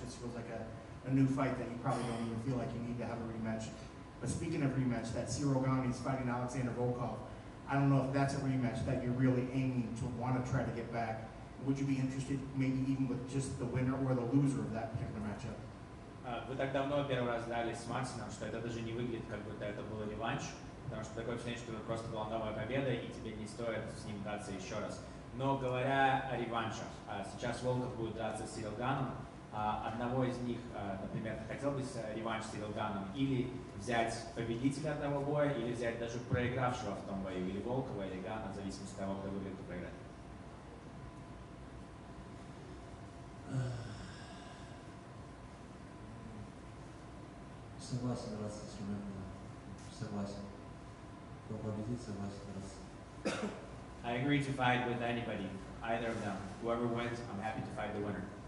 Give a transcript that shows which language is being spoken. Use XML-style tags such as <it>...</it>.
<en>This feels like a new fight that you probably don't even feel like you need to have a rematch. But speaking of rematch, that Ciryl Gane is fighting Alexander Volkov. I don't know if that's a rematch that you're really aiming to want to try to get back. Would you be interested maybe even with just the winner or the loser of that particular matchup?</en> <ru>Вы так давно первый раз дрались с Максимом, что это даже не выглядит, как будто это был реванш. Потому что такое ощущение, что это просто была новая победа, и тебе не стоит с ним драться еще раз. Но говоря о реваншах, сейчас Волков будет драться с Ciryl Gane. Одного из них, например, хотел бы реванш с Ciryl Gane, или взять победителя одного боя, или взять даже проигравшего в том бою, или Волкова, или Gane, в зависимости от того, кто выиграет и проиграет. Согласен драться с Ciryl Gane. Согласен. Кто победит, согласен драться.</ru> <en>I agree to fight with anybody, either of them. Whoever wins, I'm happy to fight the winner.</en>